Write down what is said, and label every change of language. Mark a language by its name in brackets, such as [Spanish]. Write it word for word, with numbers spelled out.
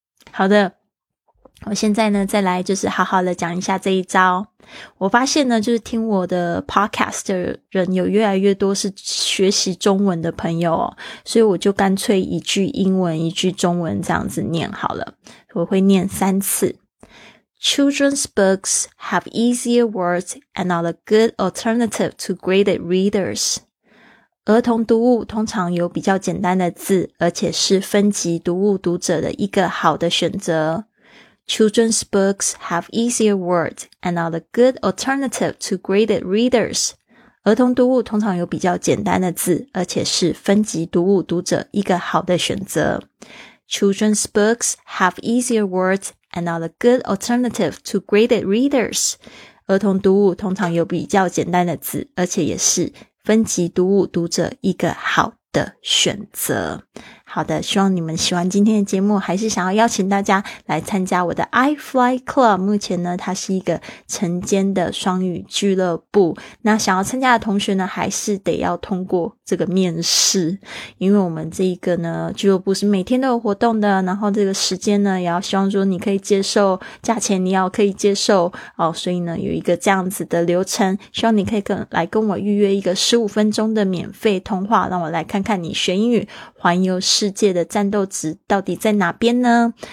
[Chinese] 好的，我现在呢再来就是好好的讲一下这一招。我发现呢就是听我的 podcast 的人有越来越多是学习中文的朋友哦，所以我就干脆一句英文一句中文这样子念好了，我会念三次。 [English] Children's books have easier words and are a good alternative to graded readers. [Chinese] 儿童读物通常有比较简单的字，而且是分级读物读者的一个好的选择。 [English] Children's books have easier words and are a good alternative to graded readers. [Chinese] 儿童读物通常有比较简单的字，而且是分级读物读者一个好的选择。 [English] Children's books have easier words and are a good alternative to graded readers. [Chinese] 儿童读物通常有比较简单的字，而且也是分级读物读者一个好的选择。好的，希望你们喜欢今天的节目，还是想要邀请大家来参加我的 iFly Club。目前呢它是一个晨间的双语俱乐部，那想要参加的同学呢还是得要通过这个面试，因为我们这一个呢俱乐部是每天都有活动的，然后这个时间呢也要希望说你可以接受，价钱你要可以接受哦，所以呢有一个这样子的流程，希望你可以跟来跟我预约一个十五分钟的免费通话，让我来看看你学英语环游世界世界的战斗值到底在哪边呢？